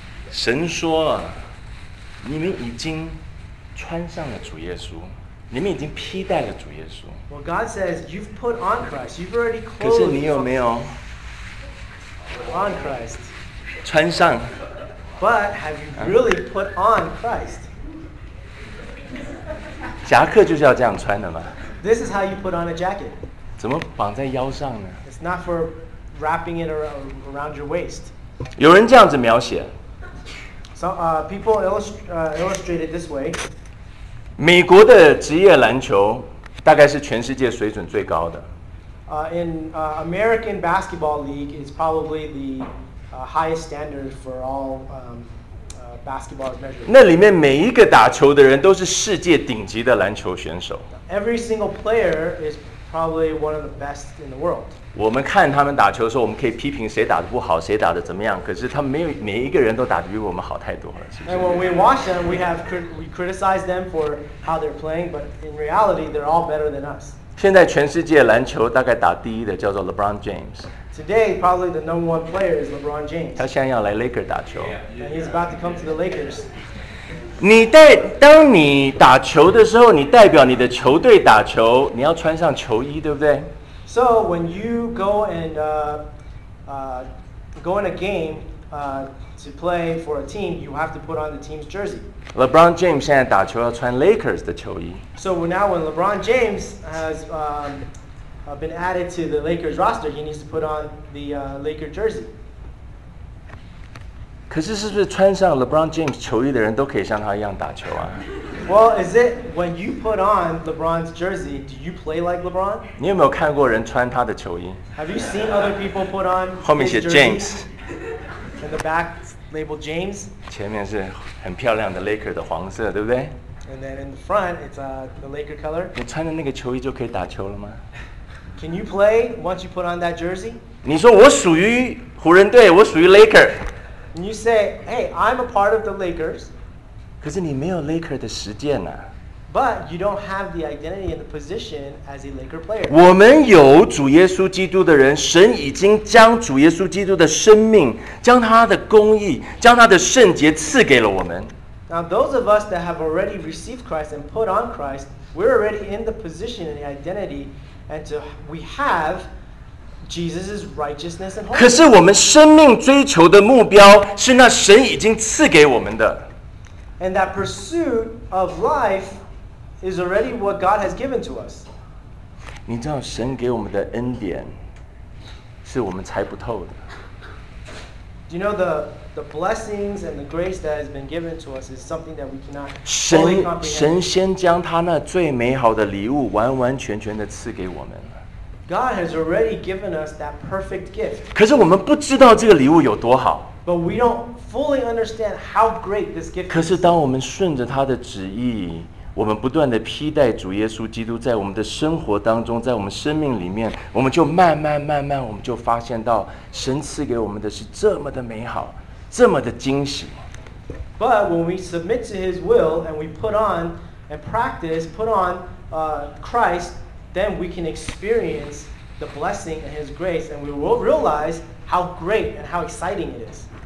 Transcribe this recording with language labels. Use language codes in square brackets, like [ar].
[zh] 神说，你们已经穿上了主耶稣，你们已经披戴了主耶稣。 [en] Well, God says you've put on Christ. You've already clothed. [zh] 可是你有没有？ [en] On Christ. [zh] 穿上。 [en] But have you really put on Christ? [zh] 夹克就是要这样穿的嘛。 [en] This is how you put on a jacket. [zh] 怎么绑在腰上呢？ [en] It's not for wrapping it around your waist. [zh] 有人这样子描写。 [en] So, people illustrate it this way. [zh] 美国的职业篮球大概是全世界水准最高的。 [en] In American Basketball League is probably the highest standard for all basketball measures. [zh] 那里面每一个打球的人都是世界顶级的篮球选手。 [en] Every single player is probably one of the best in the world. [zh] 我们看他们打球的时候，我们可以批评谁打得不好，谁打得怎么样。可是他们没有每一个人都打得比我们好太多了，是不是？ [en] And when we watch them, we criticize them for how they're playing, but in reality, they're all better than us. [zh] 现在全世界篮球大概打第一的叫做 LeBron James. [en] Today, probably the number one player is LeBron James. [zh] 他现在要来 Lakers 打球。Yeah, [en] yeah, yeah. He's about to come to the Lakers. [zh] 当你打球的时候，你代表你的球队打球，你要穿上球衣，对不对 [en] ？So when you go in a game, to play for a team, you have to put on the team's jersey. [zh] LeBron James 现在打球要穿 Lakers 的球衣。 [en] So now when LeBron James has been added to the Lakers roster, he needs to put on the Lakers jersey. [zh] 可是是不是穿上 LeBron James 球衣的人都可以像他一样打球啊？ [en] Well, is it when you put on LeBron's jersey, do you play like LeBron? [zh] 你有没有看过人穿他的球衣？ [en] Have you seen other people put on his jersey? [zh] 后面写 James. [en] In the back, labeled James. [zh] 前面是很漂亮的 Laker 的黄色，对不对？ [en] And then in the front, it's the Laker color. [zh] 你穿着那个球衣就可以打球了吗？ [en] Can you play once you put on that jersey? [zh] 你说我属于湖人队，我属于 Laker. [en] And you say, hey, I'm a part of the Lakers. [zh] 可是你没有 Laker 的实践啊。 [en] But you don't have the identity and the position as a Laker player. [zh] 我们有主耶稣基督的人，神已经将主耶稣基督的生命，将他的公义，将他的圣洁赐给了我们。 [en] Now those of us that have already received Christ and put on Christ, we're already in the position and the identity, and so we have Jesus' righteousness and holiness. [zh] 可是我们生命追求的目标是那神已经赐给我们的。 [en] And that pursuit of life is already what God has given to us. [zh] 你知道神给我们的恩典是我们猜不透的。 [en] Do you know the blessings and the grace that has been given to us is something that we cannot fully comprehend? [zh] 神先将他那最美好的礼物完完全全的赐给我们。 [en] God has already given us that perfect gift. [zh] 可是我们不知道这个礼物有多好。 [en] But we don't fully understand how great this gift is. [zh] 可是当我们顺着他的旨意，我们不断地披戴主耶稣基督在我们的生活当中，在我们生命里面，我们就慢慢慢慢，我们就发现到神赐给我们的是这么的美好，这么的惊喜。 [en] But when we submit to his will and we put on and practice, put on Christ, then we can experience the blessing and his grace and we will realize how great and how exciting it is.